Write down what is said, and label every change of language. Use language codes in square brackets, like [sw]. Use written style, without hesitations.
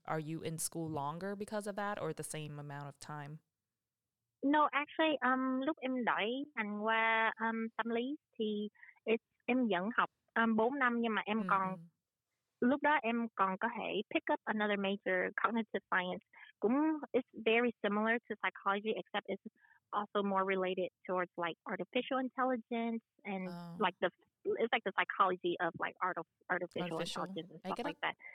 [en] Are you in school longer because of that or the same amount of time? No, actually, [vi] lúc em đổi thành qua tâm lý thì em vẫn học 4 năm nhưng mà em còn lúc đó em còn có thể [en] pick up another major, cognitive science. It's very similar to psychology, except it's also more related towards like artificial intelligence and it's like the psychology of like artificial intelligence and stuff like that.